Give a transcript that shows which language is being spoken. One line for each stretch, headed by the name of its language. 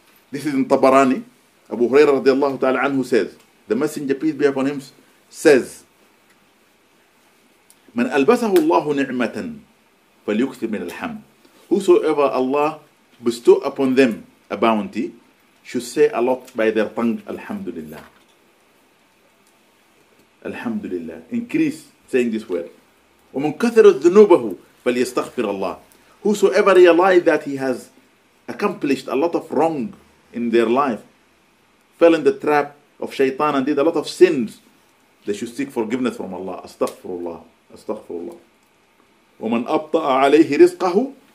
English: This is in Tabarani. Abu Huraira radiallahu ta'ala anhu says, the Messenger, peace be upon him, says,
Arabic: من ألبسه الله نعمة فليكثر من الحمد.
English: Whosoever Allah bestow upon them a bounty should say a lot by their tongue, Alhamdulillah. Alhamdulillah. Increase saying this word.
Arabic: ومن كثر ذنوبه فليستغفر الله.
English: Whosoever realized that he has accomplished a lot of wrong in their life, fell in the trap of shaitan and did a lot of sins, they should seek forgiveness from Allah.
Arabic: Astaghfirullah. Astaghfirullah. وَمَنْ أَبْطَأَ عَلَيْهِ رِزْقَهُ.